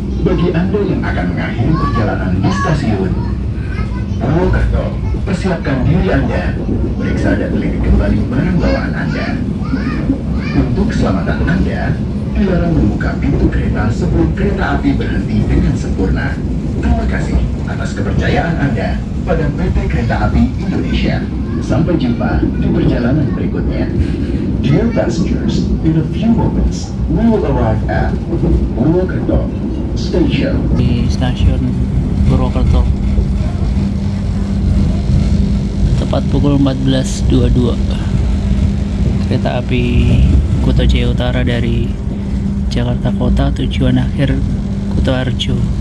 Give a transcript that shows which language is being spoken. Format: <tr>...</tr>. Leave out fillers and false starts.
<id>Bagi Anda yang akan mengakhiri perjalanan di stasiun Purwokerto, persiapkan diri Anda, periksa dan teliti kembali barang bawaan Anda. Untuk keselamatan Anda, dilarang membuka pintu kereta sebelum kereta api berhenti dengan sempurna. Terima kasih atas kepercayaan Anda pada PT Kereta Api Indonesia. Sampai jumpa di perjalanan berikutnya.</id> <en>Dear passengers, in a few moments, we will arrive at Purwokerto Station.</en> <id>Di stasiun Purwokerto, tepat pukul 14.22, kereta api Kuto Jaya Utara dari Jakarta Kota, tujuan akhir Kuto Arjo.</id>